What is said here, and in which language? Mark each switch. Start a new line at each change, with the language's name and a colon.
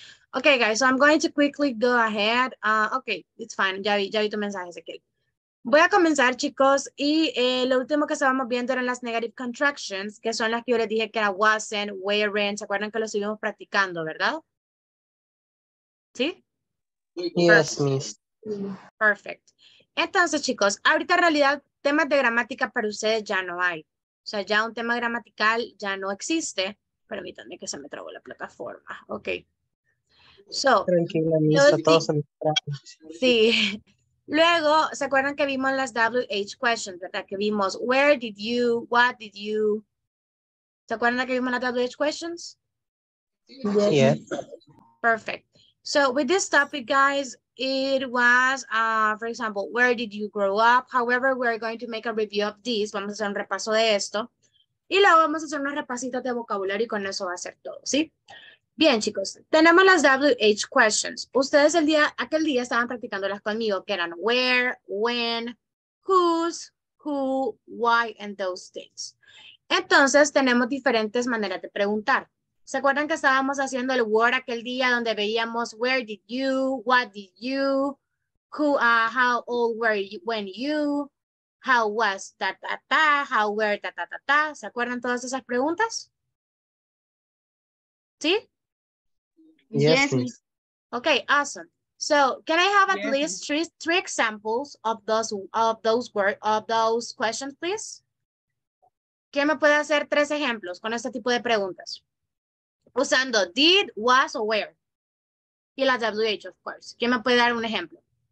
English: Okay, guys, so I'm going to quickly go ahead. Okay, it's fine.
Spanish: Ya vi tu mensaje, Ezequiel. Voy a comenzar, chicos, y lo último que estábamos viendo eran las negative contractions, que son las que yo les dije que era wasn't, weren't. ¿Se acuerdan que lo seguimos practicando, verdad? ¿Sí?
English: Yes, Perfect. miss.
Spanish: Perfect. Entonces, chicos, ahorita en realidad temas de gramática para ustedes ya no hay. O sea, ya un tema gramatical ya no existe. Permítanme que se me trabó la plataforma. Ok. So, tranquila, misa, todos se me trabó. Sí. Luego, ¿se acuerdan que vimos las WH questions, verdad? Que vimos,
English: where did you, what did you.
Spanish: ¿Se acuerdan que vimos las WH questions?
English: Yes. Perfect. So, with this topic, guys, it was, for example, where did you grow up? However, we're going to make a review of this.
Spanish: Vamos a hacer un repaso de esto. Y luego vamos a hacer unos repasitos de vocabulario y con eso va a ser todo, ¿sí? Bien, chicos, tenemos las WH questions. Ustedes el día, aquel día estaban practicándolas conmigo, que eran
English: where, when, whose, who, why, and those things.
Spanish: Entonces, tenemos diferentes maneras de preguntar. ¿Se acuerdan que estábamos haciendo el word aquel día donde veíamos
English: where did you, what did you, who, how old were you, when you, how was ta ta
Spanish: ta, how were ta ta ta ta? ¿Se acuerdan todas esas preguntas? ¿Sí?
English: Yes, yes. Okay, awesome. So, can I have at yes, least three examples of those words of those questions, please?
Spanish: ¿Quién me puede hacer tres ejemplos con este tipo de preguntas? Usando
English: did, was, or where.
Spanish: Y la WH,
English: of course.
Spanish: ¿Quién me puede dar un ejemplo?